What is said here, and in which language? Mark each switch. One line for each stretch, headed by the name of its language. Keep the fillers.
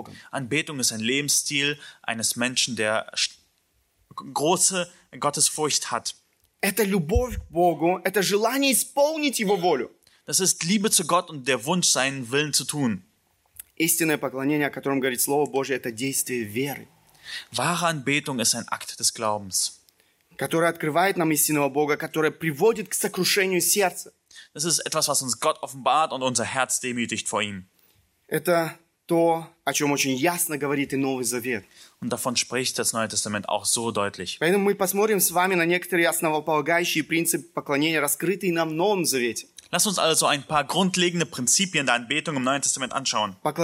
German: Anbetung ist ein Lebensstil eines Menschen, der große Gottesfurcht hat.
Russian: Это любовь к Богу, это желание исполнить Его волю.
German: Das ist Liebe zu Gott und der Wunsch, seinen Willen zu tun.
Russian: Истинное поклонение, о котором говорит Слово Божье, это действие веры.
German: Wahre Anbetung ist ein Akt des Glaubens.
Russian: Которое открывает нам истинного Бога, которое приводит к сокрушению сердца.
German: Das ist etwas, was uns Gott offenbart und unser Herz demütigt vor ihm.
Russian: Это то, о чем очень ясно говорит и Новый Завет.
German: Und davon spricht das Neue Testament auch so deutlich.
Russian: Поэтому мы посмотрим с вами на некоторые основополагающие принципы поклонения, раскрытые нам в Новом Завете.
German: Lass uns also ein paar grundlegende Prinzipien der Anbetung im Neuen Testament anschauen.